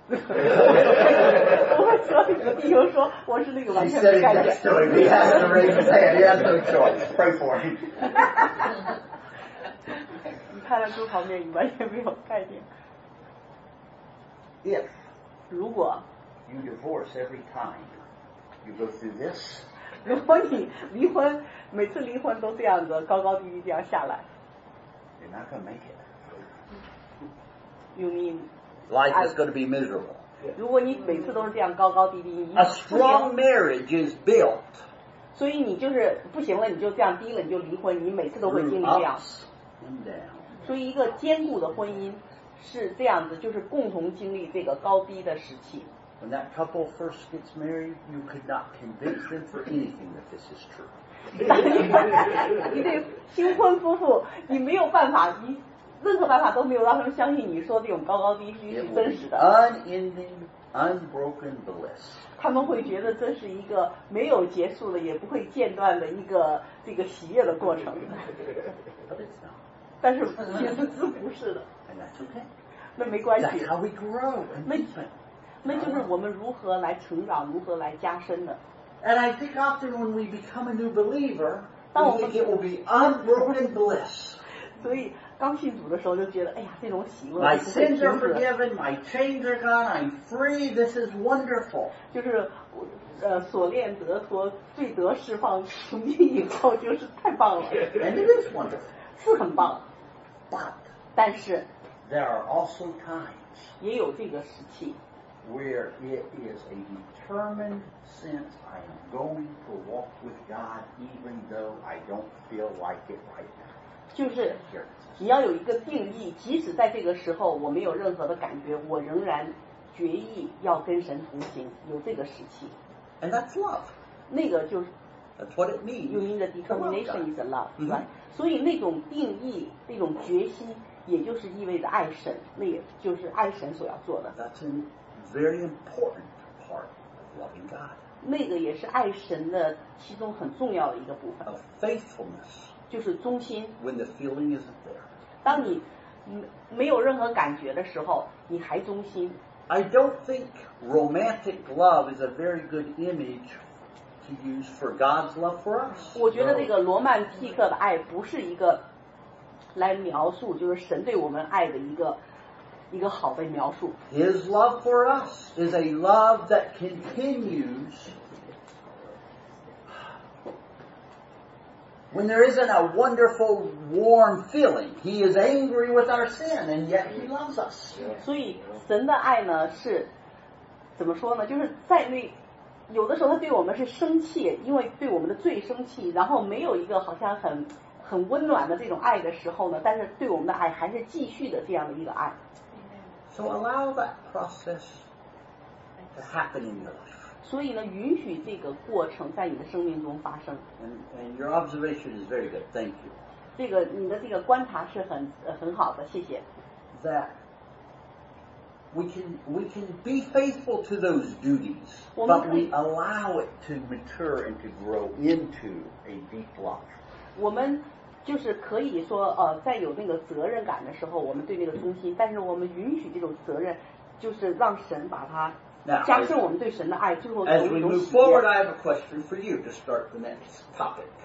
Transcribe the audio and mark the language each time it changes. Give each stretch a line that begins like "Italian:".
Chinese: 我说你听我说我是那个完全没感觉。
English: He said it next to him. He has to raise his hand. He has no choice. Pray for him.
Chinese: 你看到猪旁边你完全没有概念。
English: If
Chinese: 如果
English: you divorce every time you go through this,
Chinese: 如果你离婚每次离婚都这样子高高低低这样下来
English: you're not going to make it. You mean life is going to be miserable.
Chinese: 如果你每次都是这样高高低低
English: A strong marriage is built.
Chinese: 所以你就是不行了你就这样低了你就离婚你每次都会经历这样。所以一个坚固的婚姻是这样子就是共同经历这个高低的时期。
English: When that couple first gets married, you could not convince them for anything that this is true.
Chinese: 你对新婚夫妇你没有办法你任何办法都没有让他们相信你说这种高高低低是真实的。
English: Unending, unbroken bliss.
Chinese: 他们会觉得这是一个没有结束的也不会间断的一个这个喜悦的过程。
English: But it's not.
Chinese: 但是其实是不是的。
English: And that's okay.
Chinese: 那没关系。
English: That's how we grow.
Chinese: 那就是我们如何来成长如何来加深的。
English: And I think often when we become a new believer, we think it will be unbroken bliss.
Chinese: 所以刚信主的时候就觉得哎呀这种喜乐
English: My sins are forgiven, my chains are gone, I'm free, this is wonderful.
Chinese: 就是锁链得脱罪得释放从今以后就是太棒了。
English: And it is wonderful.
Chinese: 是很棒。
English: But,
Chinese: 但是
English: there are also times,
Chinese: 也有这个时期
English: where it is a determined sense I am going to walk with God even though I don't feel like it right now.
Chinese: 就是你要有一个定义即使在这个时候我没有任何的感觉我仍然决意要跟神同行有这个时期。
English: And that's love.
Chinese: 那个就是
English: That's what it means. You mean the determination is love, right?、 Mm-hmm.
Chinese: 所以那种定义那种决心也就是意味着爱神那也就是爱神所要做的。
English: That's inVery important part of loving God.
Chinese: 那个也是爱神的其中很重要的一个部分。
English: Of faithfulness.
Chinese: 就是忠心。
English: When the feeling isn't there.
Chinese: 当你没有任何感觉的时候，你还忠心。
English: I don't think romantic love is a very good image to use for God's love for us.
Chinese: 我觉得那个罗曼蒂克的爱不是一个来描述就是神对我们爱的一个好被描述。
English: His love for us is a love that continues when there isn't a wonderful warm feeling. He is angry with our sin and yet he loves us.
Chinese: 所以神的爱呢是怎么说呢就是在那有的时候他对我们是生气因为对我们的罪生气然后没有一个好像很温暖的这种爱的时候呢但是对我们的爱还是继续的这样的一个爱。
English: So allow that process to happen in your life.
Chinese: 所以呢，允许这个过程在你的生命中发生。
English: And your observation is very good. Thank you.
Chinese: 这个你的这个观察是很好的，谢谢。
English: That we can be faithful to those duties, but we allow it to mature and to grow into a deep love.
Chinese: 我们就是可以说在有那个责任感的时候我们对那个忠心但是我们允许这种责任就是让神把它加深我们对神的爱
English: Now,
Chinese: 最后给我们一种喜悦
English: As we move forward, I have a question for you to start the next topic.